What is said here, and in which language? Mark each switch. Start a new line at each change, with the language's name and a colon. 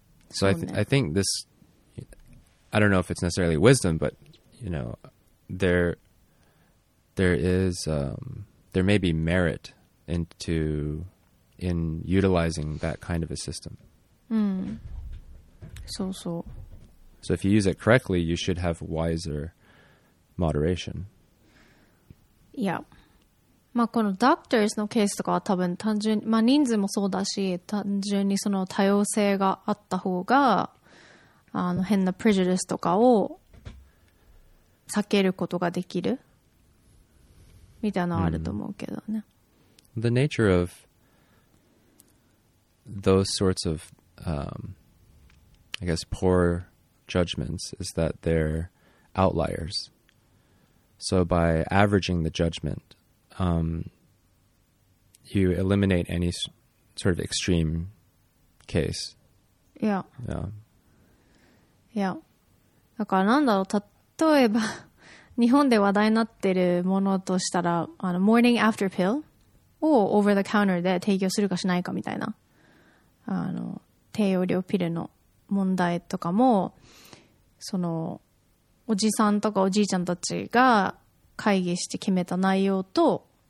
English: So I think this, I don't know if it's necessarily wisdom, but you know, there may be merit in utilizing that kind of a system. So if you use it correctly, you should have wiser moderation. Yeah.
Japanese: まあ、このドクターズのケースとかは多分単純に、まあ、人数もそうだし単純にその多様性があった方が変なプレジュディスとかを避けることができるみたいなのはあると思うけどね、
English: The nature of those sorts of I guess poor judgments is that they're outliers so by averaging the judgmentyou eliminate any sort of extreme case. Yeah. Yeah. Yeah.
Japanese: だからなんだろう、例えば日本で話題になってるものとしたら、
English: morning after pill
Japanese: を
English: over the counter
Japanese: で提供するかしないかみたいな、低用量ピルの問題とかも、そのおじさんとかおじいちゃんたちが会議して決めた内容と